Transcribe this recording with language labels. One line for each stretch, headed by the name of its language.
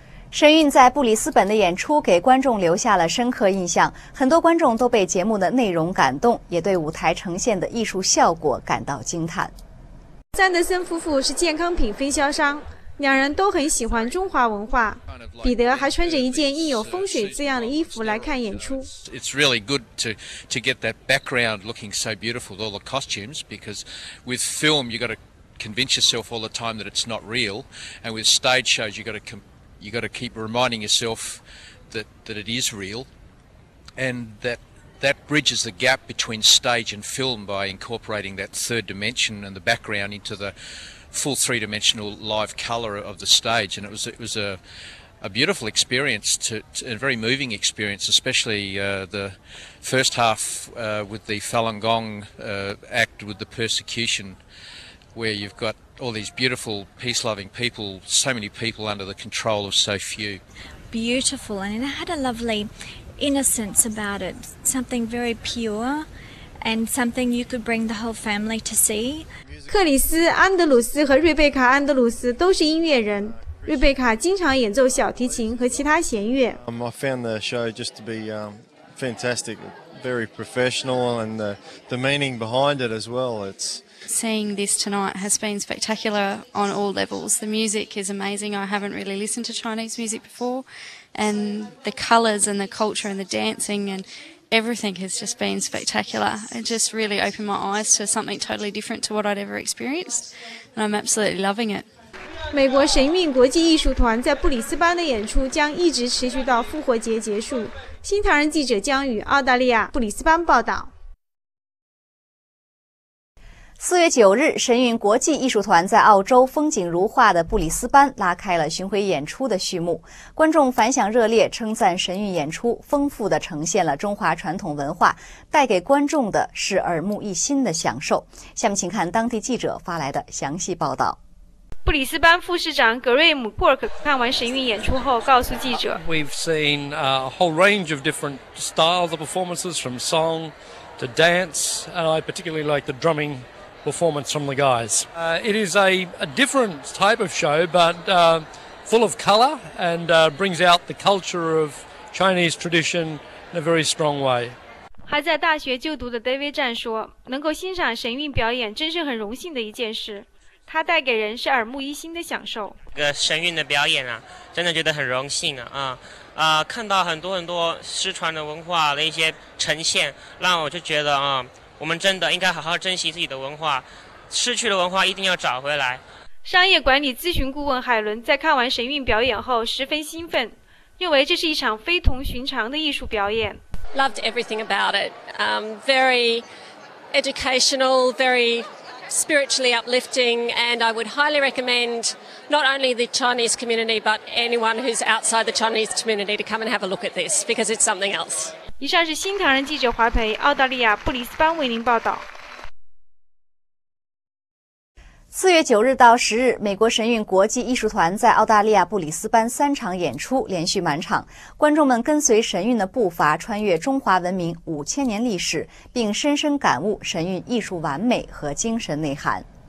Chinese: 神韵在布里斯本的演出给观众留下了深刻印象，很多观众都被节目的内容感动，也对舞台呈现的艺术效果感到惊叹。詹德森夫妇是健康品分销商，两人都很喜欢中华文化。彼得还穿着一件印有风水字样的衣服来看演出。
English: It's really good to get that background looking so beautiful with all the costumes, because with film you got to convince yourself all the time that it's not real, and with stage shows you got to keep reminding yourself that it is real, and that bridges the gap between stage and film by incorporating that third dimension and the background into the full three-dimensional live color of the stage. And it was a beautiful experience, a very moving experience, especially the first half with the Falun Gong act with the persecution, where you've got all these beautiful, peace-loving people, so many people under the control of so few. Beautiful, and it had a lovely innocence about it, something very pure, and something you could bring the whole family to see.
Chinese: 克里斯·安德鲁斯和瑞贝卡·安德鲁斯都是音乐人。瑞贝卡经常演奏小提琴和其他弦乐。
English: I found the show just to be fantastic, very professional, and the meaning behind it as well. Seeing this tonight has been spectacular on all levels. The music is amazing. I haven't really listened to Chinese music before, and the colours and the culture and the dancing and everything has just been spectacular. It just really opened my eyes to something totally different to what I'd ever experienced, and I'm absolutely loving it.
Chinese: 美国神韵国际艺术团在布里斯班的演出将一直持续到复活节结束。新唐人记者江宇，澳大利亚布里斯班报道。 4月9日，神韵国际艺术团在澳洲风景如画的布里斯班拉开了巡回演出的序幕。观众反响热烈，称赞神韵演出丰富地呈现了中华传统文化，带给观众的是耳目一新的享受。下面请看当地记者发来的详细报道。布里斯班副市长格瑞姆·库尔克看完神韵演出后告诉记者，
English: We've seen a whole range of different styles of performances, from song to dance, and I particularly like the drumming. Performance from the guys. It is a different type of show, but full of color and brings out the culture of Chinese tradition in a very strong way.
Chinese: 还在大学就读的 David Chan 说，能够欣赏神韵表演真是很荣幸的一件事，它带给人是耳目一新的享受。这个神韵的表演啊，真的觉得很荣幸啊，看到很多很多失传的文化的一些呈现，让我就觉得啊。我们真的应该好好珍惜自己的文化，失去的文化一定要找回来。商业管理咨询顾问海伦在看完神韵表演后十分兴奋，认为这是一场非同寻常的艺术表演。
English: Loved everything about it. Very educational, very spiritually uplifting, and I would highly recommend not only the Chinese community but anyone who's outside the Chinese community to come and have a look at this because it's something else.
Chinese: 以上是新唐人记者华培，澳大利亚布里斯班为您报道。 4月9日到10日，美国神韵国际艺术团在澳大利亚布里斯班三场演出连续满场，观众们跟随神韵的步伐穿越中华文明5000年历史，并深深感悟神韵艺术完美和精神内涵。